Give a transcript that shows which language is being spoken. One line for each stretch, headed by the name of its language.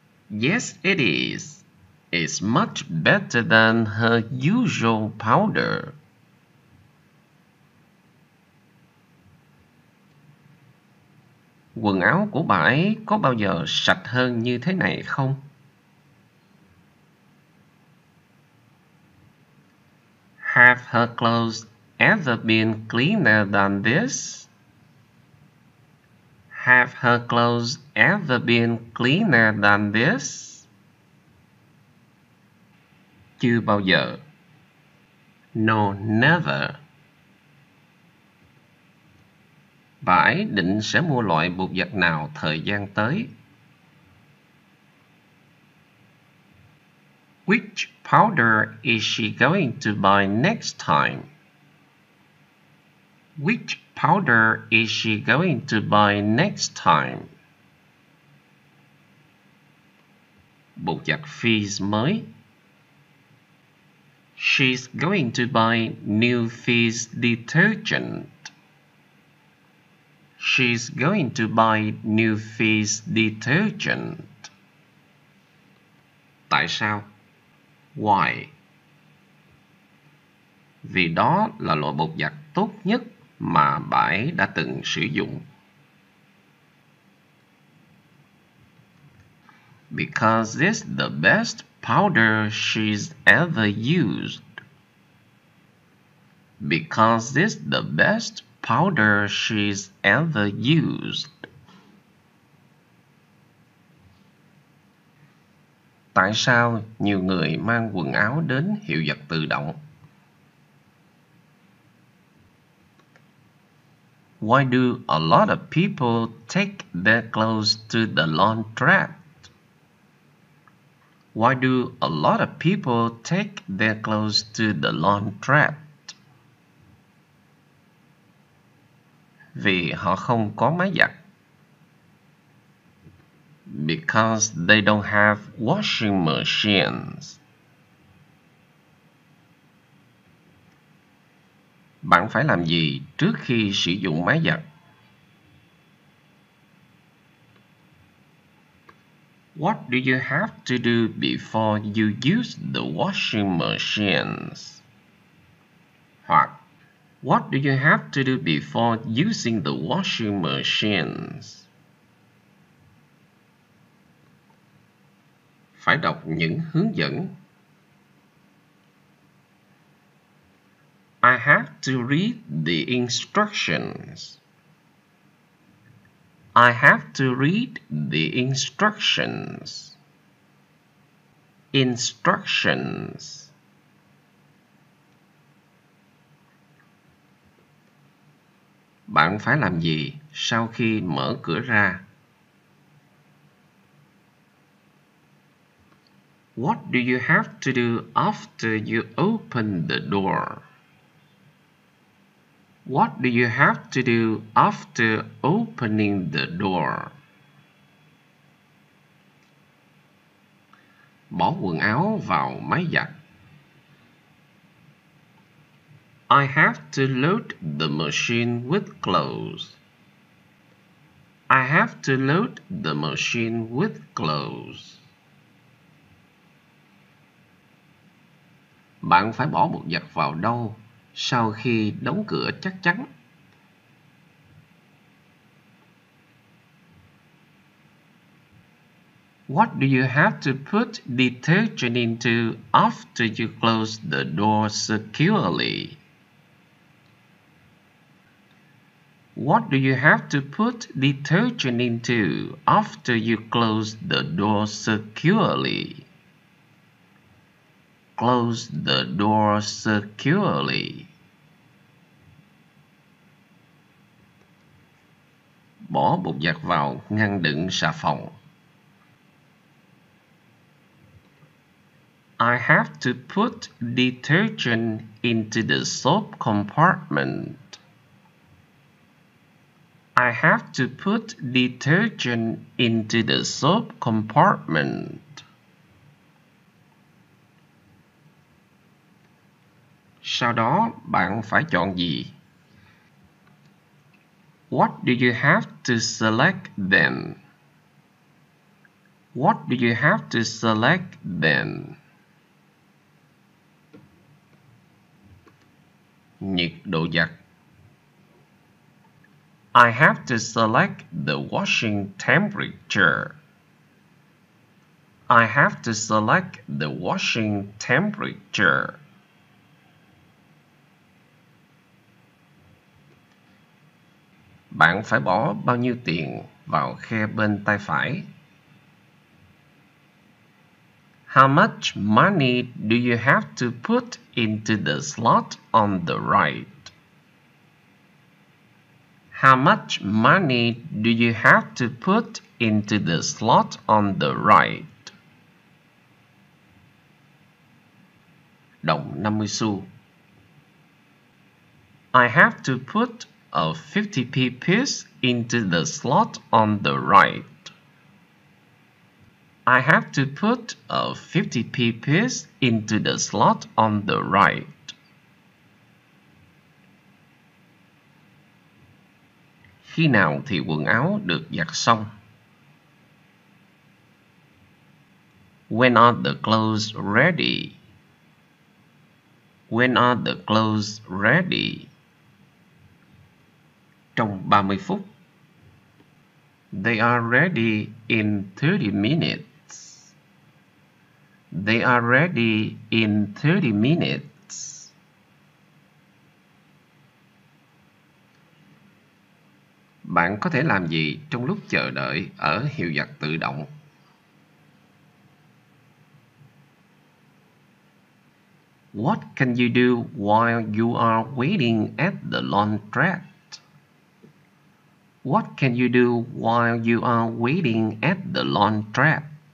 English: Yes, it is. It's much better than her usual powder.
Vietnamese: Quần áo của bà ấy có bao giờ sạch hơn như thế này không?
English: Have her clothes ever been cleaner than this? Have her clothes ever been cleaner than this?
Vietnamese: Chưa bao giờ.
English: No, never.
Vietnamese: Bà ấy định sẽ mua loại bột giặt nào thời gian tới?
English: Which powder is she going to buy next time? Which powder is she going to buy next time?
Vietnamese: Bột giặt Fizz mới.
English: She's going to buy new Fizz detergent. She's going to buy new Fizz detergent.
Vietnamese: Tại sao?
English: Why?
Vietnamese: Vì đó là loại bột giặt tốt nhất mà bà ấy đã từng sử dụng.
English: Because it's the best powder she's ever used. Because it's the best powder she's ever used.
Vietnamese: Tại sao nhiều người mang quần áo đến hiệu giặt tự động?
English: Why do a lot of people take their clothes to the laundrette? Why do a lot of people take their clothes to the laundrette?
Vietnamese: Vì họ không có máy giặt.
English: Because they don't have washing machines.
Vietnamese: Bạn phải làm gì trước khi sử dụng máy giặt?
English: What do you have to do before you use the washing machines?
Vietnamese: Hoặc,
English: what do you have to do before using the washing machines?
Vietnamese: Phải đọc những hướng dẫn.
English: I have to read the instructions. I have to read the instructions. Instructions.
Vietnamese: Bạn phải làm gì sau khi mở cửa ra?
English: What do you have to do after you open the door? What do you have to do after opening the door?
Vietnamese: Bỏ quần áo vào máy giặt.
English: I have to load the machine with clothes. I have to load the machine with clothes.
Vietnamese: Bạn phải bỏ bột giặt vào đâu sau khi đóng cửa chắc chắn?
English: What do you have to put detergent into after you close the door securely? What do you have to put detergent into after you close the door securely? Close the door securely.
Vietnamese: Bỏ bột giặt vào ngăn đựng xà phòng.
English: I have to put detergent into the soap compartment. I have to put detergent into the soap compartment.
Vietnamese: Sau đó bạn phải chọn gì
English: What do you have to select then? What do you have to select then?
Vietnamese: Nhiệt độ giặt.
English: I have to select the washing temperature. I have to select the washing temperature.
Vietnamese: Bạn phải bỏ bao nhiêu tiền vào khe bên tay phải?
English: How much money do you have to put into the slot on the right? How much money do you have to put into the slot on the right?
Vietnamese: Đồng 50 xu.
English: I have to put a 50p piece into the slot on the right. I have to put a 50p piece into the slot on the right.
Vietnamese: Khi nào thì quần áo được giặt xong?
English: When are the clothes ready? When are the clothes ready?
Vietnamese: Trong 30 phút.
English: They are ready in 30 minutes. They are ready in 30 minutes.
Vietnamese: Bạn có thể làm gì trong lúc chờ đợi ở hiệu giặt tự động?
English: What can you do while you are waiting at the laundrette? What can you do while you are waiting at the laundrette?